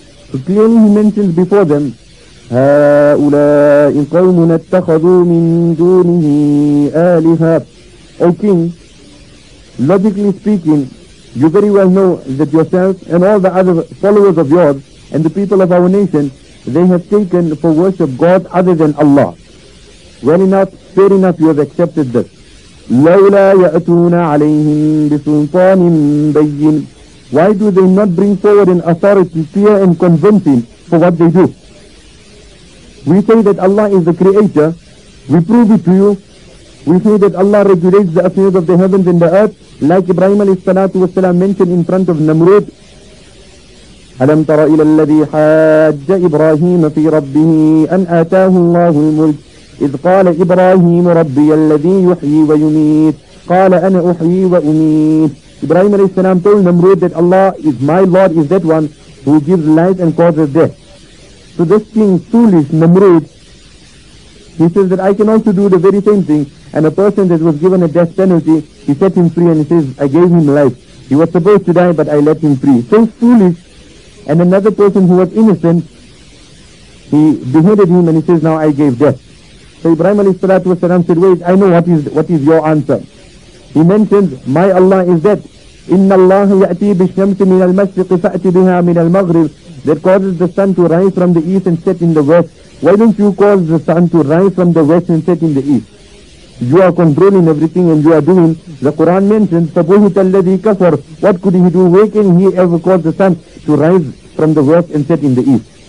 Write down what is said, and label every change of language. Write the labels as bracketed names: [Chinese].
[English] So clearly he mentions before them, [Arabic] هؤلاء قوم اتخذوا من دونه آلهة. [English] O King, logically speaking, you very well know that yourself and all the other followers of yours and the people of our nation, they have taken for worship God other than Allah. Well enough, fair enough, you have accepted this. [Arabic] لولا يأتون عليهم بسلطان بين. [English] Why do they not bring forward an authority, clear and convincing for what they do? We say that Allah is the creator, we prove it to you, we say that Allah regulates the affairs of the heavens and the earth, like Ibrahim alayhi salatu wasalam mentioned in front of Namrud. [Arabic] أَلَمْ تَرَ إِلَى الَّذِي حَاجَّ إِبْرَاهِيمَ فِي رَبِّهِ أَنْ آتَاهُ اللَّهُ الْمُلْكِ إِذْ قَالَ إِبْرَاهِيمُ رَبِّيَ الَّذِي يُحْيِي وَيُمِيتُ قَالَ أَنَا أُحْيِي وَأُمِيتُ. [English] Ibrahim alayhi salam told Namrud that Allah is my Lord, is that one who gives life and causes death. So this king, foolish Namrud, he says that I can also do the very same thing. And a person that was given a death penalty, he set him free and he says, I gave him life. He was supposed to die, but I let him free. So foolish. And another person who was innocent, he beheaded him and he says, now I gave death. So Ibrahim alayhi salatu wasalam said, wait, I know what is your answer. He mentions, my Allah is that. [Arabic] إِنَّ اللَّهَ يَأْتِي بِالشَّمْسِ مِنَ الْمَشْرِقِ فَأْتِ بِهَا مِنَ الْمَغْرِبِ. [English] that causes the sun to rise from the east and set in the west, why don't you cause the sun to rise from the west and set in the east? You are controlling everything and you are doing. The Quran mentions, Sabuhu talladhi kafar, what could he do? Where can he ever cause the sun to rise from the west and set in the east?